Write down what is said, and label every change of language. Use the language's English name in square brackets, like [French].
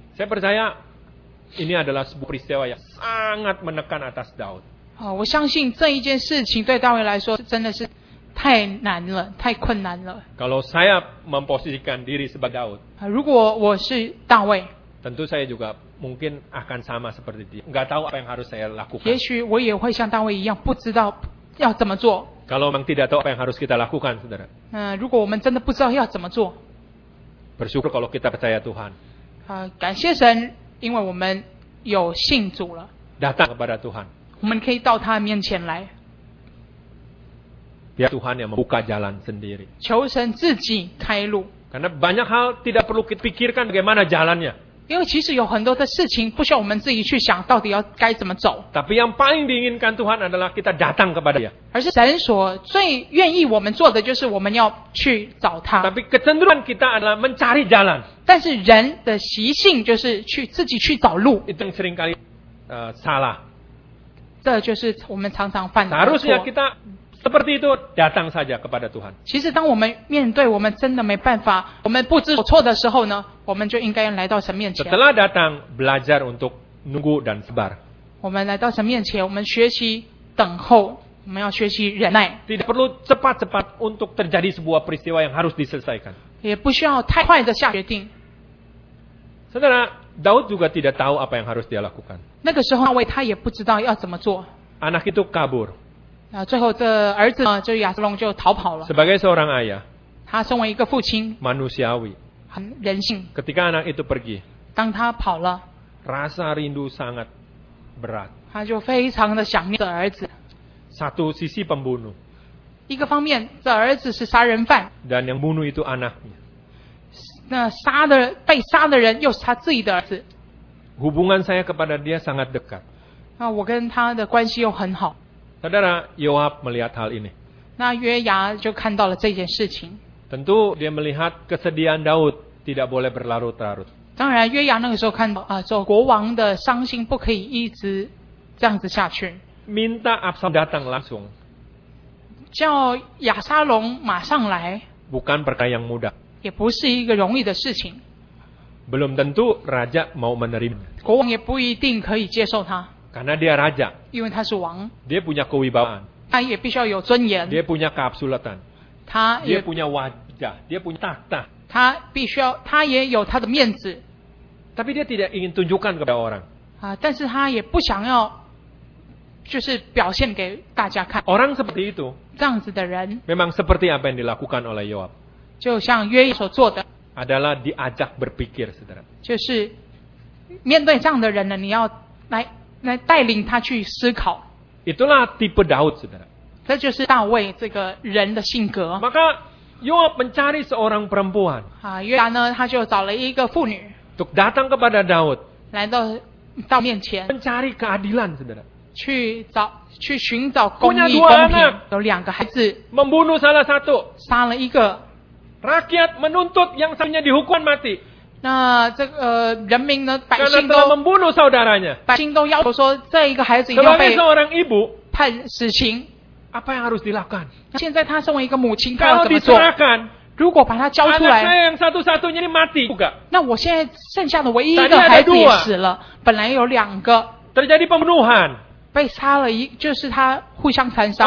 [Indonesian] Saya percaya ini adalah sebuah peristiwa yang sangat menekan atas Daud. [Chinese] 我相信这一件事情对大卫来说真的是太难了，太困难了。 [Indonesian] Kalau saya memposisikan diri sebagai Daud. [Chinese] 如果我是大卫。 [Indonesian] Tentu saya juga mungkin akan sama seperti dia. Enggak tahu apa yang harus saya lakukan. [Chinese] 也许我也会像大卫一样，不知道要怎么做。 [Indonesian] Kalau memang tidak tahu apa yang harus kita lakukan, saudara. [Chinese] 如果我们真的不知道要怎么做。 [Indonesian] Bersyukur kalau kita percaya Tuhan. [Chinese] 感谢神，因为我们有信主了。 [Indonesian] Datang kepada Tuhan. [Chinese] 我们可以到他面前来。 [Indonesian] Biar Tuhan yang membuka jalan sendiri. [Chinese] 求神自己开路。 [Indonesian] Karena banyak hal tidak perlu kita pikirkan bagaimana jalannya. [Chinese] 因为其实有很多的事情不需要我们自己去想到底要该怎么走。 [Indonesian] Tapi yang paling diinginkan Tuhan adalah kita datang kepada Dia. [Chinese] 而是神所最愿意我们做的就是我们要去找他。 [Indonesian] Tapi kecenderungan kita adalah mencari jalan. [Chinese] 但是人的习性就是去自己去找路。 [Indonesian] Itu yang sering kali salah. [Chinese] 这就是我们常常犯的错。 [Indonesian] Harusnya kita seperti itu datang saja kepada Tuhan. [Chinese] 其实当我们面对我们真的没办法，我们不知所措的时候呢？我们就应该来到神面前。 [Indonesian] Setelah datang, belajar untuk nunggu dan sabar. [Chinese] 我们来到神面前，我们学习等候，我们要学习忍耐。 [Indonesian] Tidak perlu cepat-cepat untuk terjadi sebuah peristiwa yang harus diselesaikan. [Chinese] 也不需要太快的下决定。 [Indonesian] Saudara, Daud juga tidak tahu apa yang harus dia lakukan. [Chinese] 那个时候，大卫他也不知道要怎么做。 [Indonesian] Anak itu kabur. [Chinese] 最后这儿子呢，就亚撒龙就逃跑了。 [Indonesian] Sebagai seorang ayah. [Chinese] 他身为一个父亲。 [Indonesian] Manusiawi. [Chinese] 人性。 [Indonesian] Ketika anak itu pergi, [Chinese] 当他跑了 [Indonesian] rasa rindu sangat berat [Chinese] 他就非常的想念的儿子 [Indonesian] satu sisi pembunuh [Chinese] 一个方面这儿子是杀人犯 [Indonesian] dan yang bunuh itu anaknya [Chinese] 那杀的被杀的人又是他自己的儿子 [Indonesian] hubungan saya kepada dia sangat dekat [Chinese] 那我跟他的关系又很好 [Indonesian] saudara Yoab melihat hal ini [Chinese] 那约牙就看到了这件事情 [Indonesian] tentu dia melihat kesedihan Daud tidak boleh berlarut-larut [Chinese] 当然约牙那个时候看到说国王的伤心不可以一直这样子下去 [Indonesian] minta Absalom datang langsung [Chinese] 叫亚沙龙马上来 [Indonesian] bukan perkara yang mudah [Chinese] 也不是一个容易的事情 [Indonesian] belum tentu raja mau menerima [Chinese] 国王也不一定可以接受他 [Indonesian] karena dia raja [Chinese] 因为他是王 [Indonesian] dia punya kewibawaan [Chinese] 他也必须要有尊严 [Indonesian] dia punya keabsulatan [Chinese] 他 [Indonesian] dia punya wajah dia punya takhta [Chinese] 他必须要，他也有他的面子。 [Indonesian] Tapi dia tidak ingin tunjukkan kepada orang. [Chinese] 但是他也不想要，就是表现给大家看。 [Indonesian] Orang seperti itu. [Chinese] 这样子的人。 [Indonesian] Memang seperti apa yang dilakukan oleh Yoab. [Chinese] 就像约押所做的。 [Indonesian] Adalah diajak berpikir, saudara. [Chinese] 就是面对这样的人呢，你要来带领他去思考。 [Indonesian] Itulah tipe Daud, saudara. [Chinese] 这就是大卫这个人的性格。 [Indonesian] Maka Yoab mencari seorang perempuan. [Chinese] 约押呢，他就找了一个妇女。 [Indonesian] Untuk datang kepada Daud. [Chinese] 来到到面前。 [Indonesian] Mencari keadilan, saudara. [Chinese] 去寻找公义公平。有两个孩子。 [Indonesian] Membunuh salah satu. [Chinese] 杀了一个。 [Indonesian] Rakyat menuntut yang satunya dihukuman mati. [Chinese] 那这个人民呢，百姓都。 [Indonesian] Karena telah membunuh saudaranya. [Chinese] 百姓都要求说，这一个孩子一定要被。 [Indonesian] Sebagai seorang ibu. [Chinese] 判死刑。 [Indonesian] Apa yang harus dilakukan? [Chinese] 现在他身为一个母亲，他要怎么做？ [Indonesian] Kalau diserahkan, [Chinese] 如果把他交出来， [Indonesian] anak saya yang satu-satunya ini mati juga. [Chinese] 那我现在剩下的唯一一个孩子也死了。本来有两个。 [Indonesian] Terjadi pembunuhan. [Chinese] 被杀了一，就是他互相残杀。